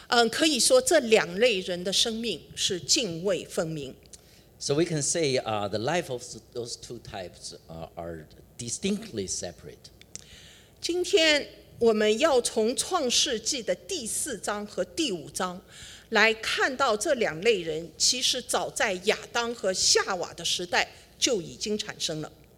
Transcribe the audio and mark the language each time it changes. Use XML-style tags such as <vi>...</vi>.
<zh>可以说这两类人的生命是泾渭分明。</zh> <en>So we can say the life of those two types are distinctly separate.</en> <zh>今天我们要从创世纪的第四章和第五章来看到这两类人其实早在亚当和夏娃的时代就已经产生了。</zh>